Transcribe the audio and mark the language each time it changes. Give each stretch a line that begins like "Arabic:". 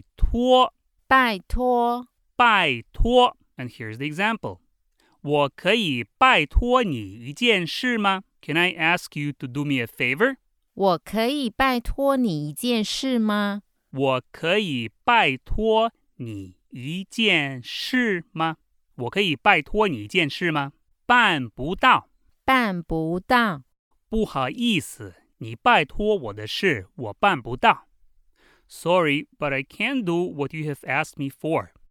Chinese: 他是我们最大的客户。他是我们最大的客户。拜托。拜托。拜托。
English: And here's the example.
Chinese: 我可以拜托你一件事吗?
English: Can I ask you to do me a favor?
Chinese: 我可以拜托你一件事吗? 我可以拜托你一件事吗? 我可以拜托你一件事吗? 办不到。办不到。不好意思,你拜托我的事,我办不到。
English: Sorry, but I can't do what you have asked me for.